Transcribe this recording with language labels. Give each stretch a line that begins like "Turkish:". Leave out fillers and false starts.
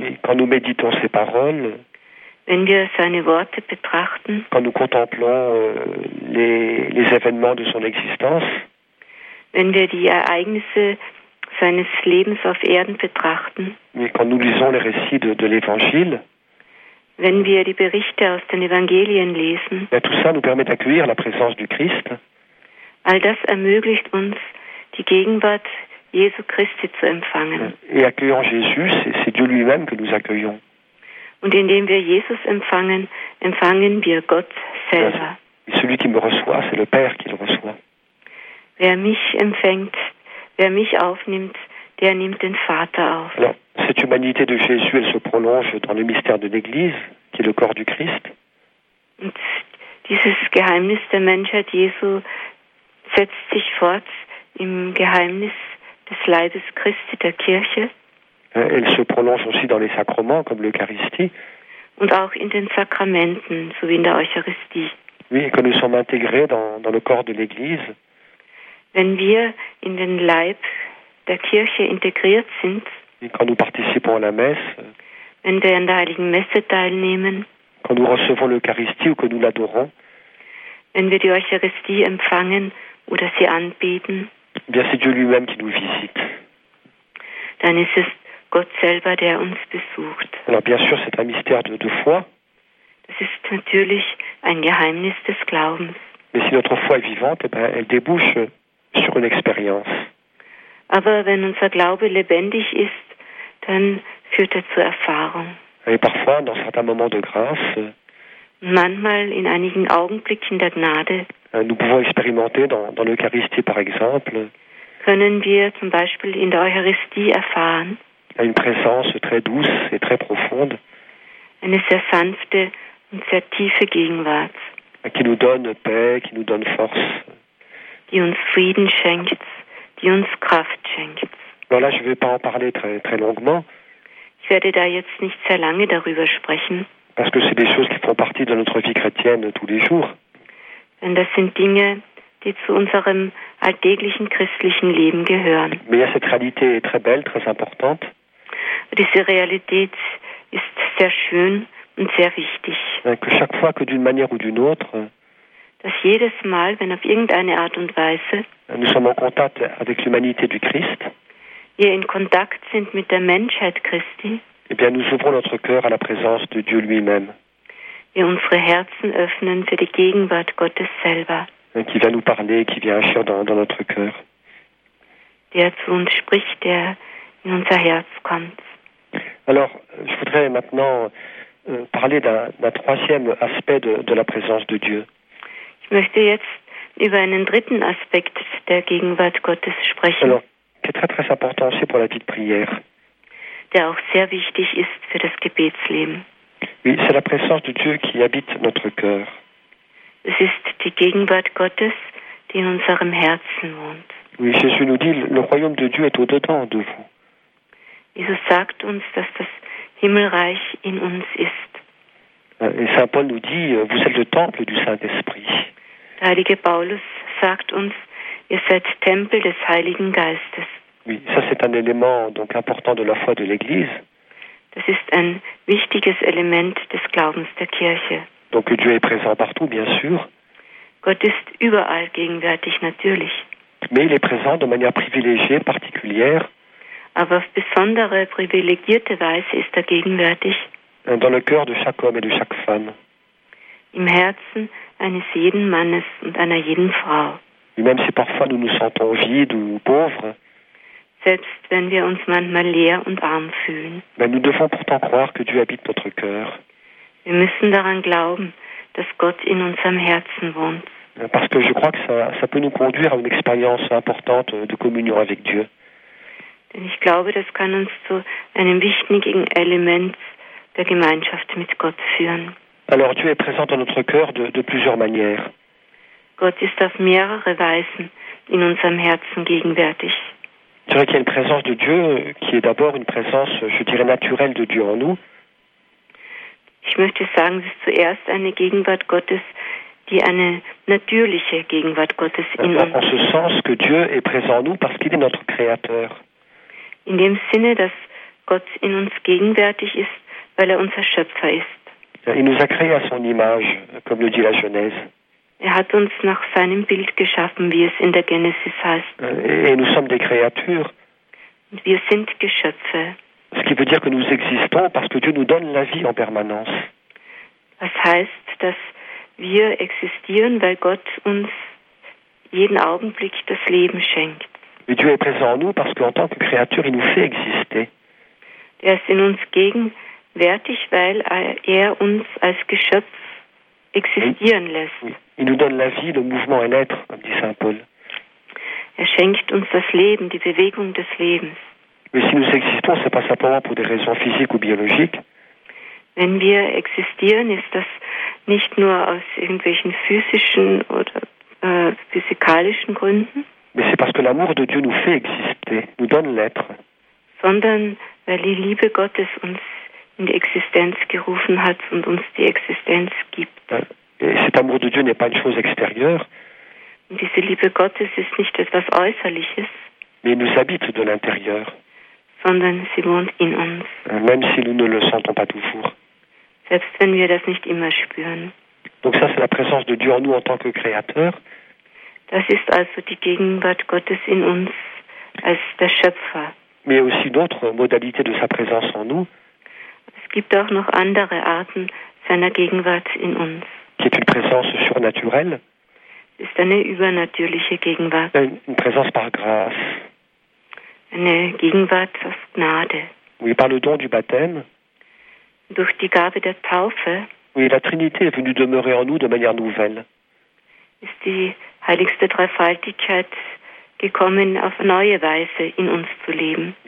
French: Oui, quand nous méditons ses paroles.
German: Wenn wir seine Worte betrachten.
French: Quand nous contemplons les événements de son existence.
German: Wenn wir die Ereignisse seines Lebens auf Erden betrachten.
French: Mais quand nous lisons les récits de l'Évangile.
German: Wenn wir die Berichte aus den Evangelien lesen.
French: Ben tout ça nous permet d'accueillir la présence du Christ.
German: All das ermöglicht uns, die Gegenwart Jesu Christi zu empfangen.
French: Et accueillant Jésus, c'est Dieu lui-même que nous accueillons.
German: Und indem wir Jesus empfangen, empfangen wir Gott selber.
French: Et celui qui me reçoit, c'est le Père qui le reçoit.
German: Wer mich empfängt, wer mich aufnimmt, der nimmt den Vater auf.
French: Alors, cette humanité de Jésus, elle se prolonge dans le mystère de l'Église, qui est le corps du Christ.
German: Und dieses Geheimnis der Menschheit Jesu setzt sich fort im Geheimnis des Leibes Christi, der Kirche.
French: Elle se prolonge aussi dans les sacrements, comme l'Eucharistie.
German: Und auch in den Sakramenten, so wie in der Eucharistie.
French: Oui, quand nous sommes intégrés dans le corps de l'Église.
German: Wenn wir in den Leib der Kirche integriert sind,
French: quand nous participons à la messe,
German: wenn wir an der Heiligen Messe teilnehmen,
French: quand nous recevons l'Eucharistie ou que nous l'adorons,
German: wenn wir die Eucharistie empfangen oder sie anbeten,
French: bien c'est Dieu lui-même qui nous visite.
German: Dann ist es Gott selber, der uns besucht.
French: Alors bien sûr, c'est un mystère de foi.
German: Das ist natürlich ein Geheimnis des Glaubens.
French: Mais si notre foi est vivante, eh ben, elle débouche sur une expérience.
German: Aber wenn unser Glaube lebendig ist, dann führt zu Erfahrung.
French: Et parfois, dans certains moments de grâce,
German: manchmal in einigen Augenblicken der Gnade,
French: nous pouvons expérimenter dans l'Eucharistie, par exemple,
German: können wir zum Beispiel in der Eucharistie erfahren,
French: une présence très douce et très profonde,
German: eine sehr sanfte und sehr tiefe Gegenwart,
French: qui nous donne paix, qui nous donne force,
German: die uns Frieden schenkt, die uns Kraft schenkt.
French: Voilà, je ne vais pas en parler très, très longuement.
German: Ich werde da jetzt nicht sehr lange darüber sprechen.
French: Parce que c'est des choses qui font partie de notre vie chrétienne tous les jours.
German: Denn das sind Dinge, die zu unserem alltäglichen christlichen Leben gehören.
French: Mais cette réalité est très belle, très importante.
German: Diese Realität ist sehr schön und sehr wichtig.
French: Que chaque fois que d'une manière ou d'une autre,
German: dass jedes Mal, wenn auf irgendeine Art und Weise,
French: nous sommes en contact avec l'humanité du Christ,
German: wir in Kontakt sind mit der Menschheit Christi,
French: eh bien, nous ouvrons notre cœur à la présence de Dieu lui-même,
German: wir unsere Herzen öffnen für die Gegenwart Gottes selber,
French: qui vient nous parler, qui vient agir dans notre cœur,
German: der zu uns spricht, der in unser Herz kommt.
French: Alors, je voudrais maintenant parler d'un troisième aspect de la présence de Dieu.
German: Ich möchte jetzt über einen dritten Aspekt der Gegenwart Gottes sprechen.
French: Alors, qui est très très important aussi pour la vie de prière.
German: Der auch sehr wichtig ist für das Gebetsleben.
French: Oui, c'est la présence de Dieu qui habite notre cœur.
German: Es ist die Gegenwart Gottes, die in unserem Herzen wohnt.
French: Oui, Jésus nous dit, le royaume de Dieu est au-dedans de vous.
German: Jesus sagt uns, dass das Himmelreich in uns ist.
French: Et Saint Paul nous dit, vous êtes le temple du Saint-Esprit.
German: Der heilige Paulus sagt uns, ihr seid Tempel des Heiligen Geistes.
French: Oui, ça c'est un élément donc important de la foi de l'Église.
German: Das ist ein wichtiges Element des Glaubens der Kirche.
French: Donc Dieu est présent partout, bien sûr.
German: Gott ist überall gegenwärtig, natürlich.
French: Mais il est présent de manière privilégiée, particulière.
German: Aber auf besondere, privilegierte Weise ist er gegenwärtig.
French: Dans le cœur de chaque homme et de chaque femme.
German: Im Herzen eines jeden Mannes und einer jeden Frau.
French: Et même si parfois nous nous sentons vides ou pauvres.
German: Selbst wenn wir uns manchmal leer und arm fühlen.
French: Mais nous devons pourtant croire que Dieu habite notre cœur.
German: Wir müssen daran glauben, dass Gott in unserem Herzen wohnt.
French: Parce que je crois que ça peut nous conduire à une expérience importante de communion avec Dieu.
German: Denn ich glaube, das kann uns zu einem wichtigen Element der Gemeinschaft mit Gott führen.
French: Alors Dieu est présent dans notre cœur de plusieurs manières.
German: Gott ist auf mehrere Weisen in unserem Herzen gegenwärtig.
French: Je dirais qu'il y a une présence de Dieu qui est d'abord une présence, je dirais, naturelle de Dieu en nous.
German: Ich möchte sagen, es ist zuerst eine Gegenwart Gottes, die eine natürliche Gegenwart Gottes in uns.
French: En ce sens que Dieu est présent en nous parce qu'il est notre Créateur.
German: In dem Sinne, dass Gott in uns gegenwärtig ist, weil er unser Schöpfer ist.
French: Il nous a créé à son image, comme le dit la Genèse.
German: Er hat uns nach seinem Bild geschaffen, wie es in der Genesis heißt.
French: Et nous sommes des créatures.
German: Und wir sind Geschöpfe.
French: Ce qui veut dire que nous existons parce que Dieu nous donne la vie en permanence.
German: Das heißt, dass wir existieren, weil Gott uns jeden Augenblick das Leben schenkt.
French: Et Dieu est présent en nous parce qu'en tant que créature, il nous fait exister.
German: Er ist in uns gegenwärtig, weil er uns als Geschöpf existieren lässt.
French: Il nous donne la vie, le mouvement et l'être, comme dit Saint Paul.
German: Er schenkt uns das Leben, die Bewegung des Lebens.
French: Mais si nous existons, c'est pas simplement pour des raisons physiques ou biologiques.
German: Wenn wir existieren, ist das nicht nur aus irgendwelchen physischen oder physikalischen Gründen.
French: Mais c'est parce que l'amour de Dieu nous fait exister, nous donne l'être.
German: Sondern weil die Liebe Gottes uns in die Existenz gerufen hat und uns die Existenz gibt.
French: Et cet amour de Dieu n'est pas une chose extérieure.
German: Und diese Liebe Gottes ist nicht etwas Äußerliches.
French: Mais il nous habite de l'intérieur.
German: Sondern sie wohnt in uns.
French: Même si nous ne le sentons pas toujours.
German: Selbst wenn wir das nicht immer spüren.
French: Donc ça c'est la présence de Dieu en nous en tant que créateur.
German: Das ist also die Gegenwart Gottes in uns als der Schöpfer.
French: Mais aussi d'autres modalités de sa présence en nous.
German: Es gibt auch noch andere Arten seiner Gegenwart in uns.
French: Qui est une présence surnaturelle.
German: Ist eine übernatürliche Gegenwart.
French: Une présence par grâce.
German: Eine Gegenwart aus Gnade.
French: Oui, par le don du baptême.
German: Durch die Gabe der Taufe.
French: Oui, la Trinité est venue demeurer en nous de manière nouvelle.
German: Ist die heiligste Dreifaltigkeit gekommen, auf neue Weise in uns zu leben.